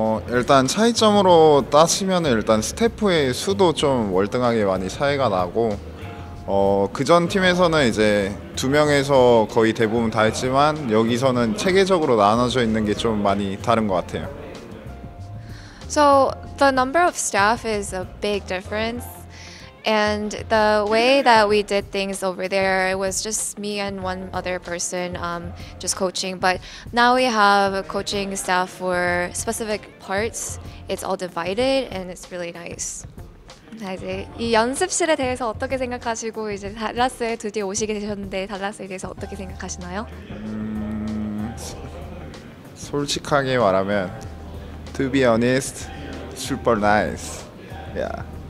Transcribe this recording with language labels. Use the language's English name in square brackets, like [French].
[Korean] 일단 차이점으로 따지면 일단 스태프의 수도 좀 월등하게 많이 차이가 나고 그전 팀에서는 이제 두 명에서 거의 대부분 다 했지만 여기서는 체계적으로 나눠져 있는 게좀 많이 다른 것 같아요. [English] So the number of staff is a big difference. And the way that we did things over there, it was just me and one other person just coaching. But now we have coaching staff for specific parts. It's all divided and it's really nice. [Korean] 이제 이 연습실에 대해서 어떻게 생각하시고 이제 달라스에 드디어 오시게 되셨는데 달라스에 대해서 어떻게 생각하시나요? 솔직하게 말하면, [English] to be honest, super nice. Yeah.